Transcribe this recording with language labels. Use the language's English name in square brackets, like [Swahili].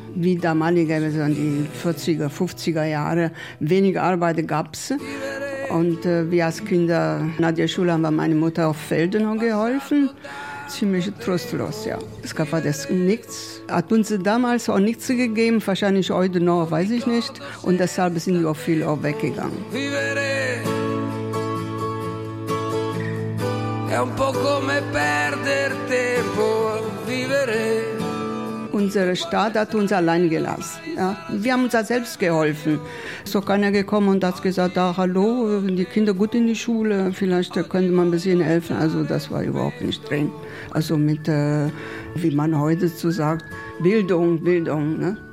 [German] Wie damalige, also in den 40er, 50er Jahre, wenig Arbeit gab es. Und wir als Kinder nach der Schule haben wir meiner Mutter auf Feldern geholfen. Ziemlich trostlos, ja. Scafati ist nichts. Hat uns damals auch nichts gegeben, wahrscheinlich heute noch, weiß ich nicht. Und deshalb sind wir auch viel auch weggegangen. [Italian] Vivere è un po' come perder tempo. Vivere. [German] Unsere Stadt hat uns allein gelassen. Ja. Wir haben uns da selbst geholfen. So kann er gekommen und hat gesagt, da, hallo, die Kinder gut in die Schule, vielleicht könnte man ein bisschen helfen. Also das war überhaupt nicht drin. Also mit, wie man heute so sagt, Bildung. Ne?